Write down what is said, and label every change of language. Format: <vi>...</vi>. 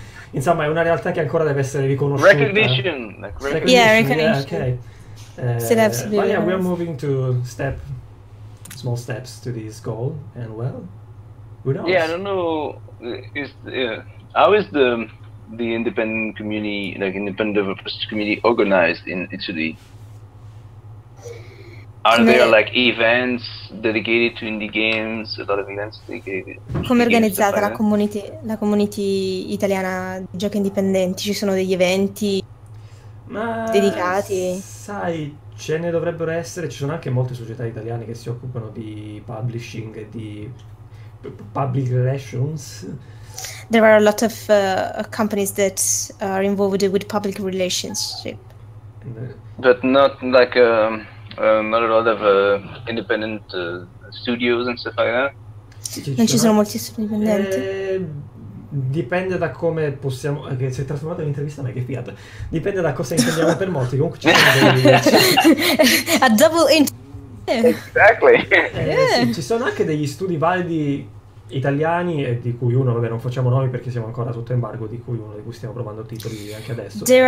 <it>Insomma, è una realtà che ancora deve essere riconosciuta.</it> <en>Recognition. Yeah, okay. But yeah, we are moving to small steps to this goal, and well, who knows? Yeah, I don't know. Is how is the independent community, like independent developers community, organized in Italy? Are there like events dedicated to indie games? A lot of events dedicated.</en> <it>Come è organizzata la community italiana di giochi indipendenti? Ci sono degli eventi dedicati? Sai, ce ne dovrebbero essere. Ci sono anche molte società italiane che si occupano di publishing e di public relations.</it> <en>There are a lot of companies that are involved with public relationship. But not like not a lot of independent studios and stuff like that.</en> <it>Non ci sono molti studi indipendenti. Dipende da come possiamo. Che si è trasformata in intervista, ma che fiat. Dipende da cosa intendiamo per molti. Comunque ci sono delle A double</it> <en>Exactly.</en> <it>Sì, ci sono anche degli studi validi italiani, e di cui uno, vabbè, non facciamo nomi perché siamo ancora sotto embargo, di cui stiamo provando titoli anche adesso.</it>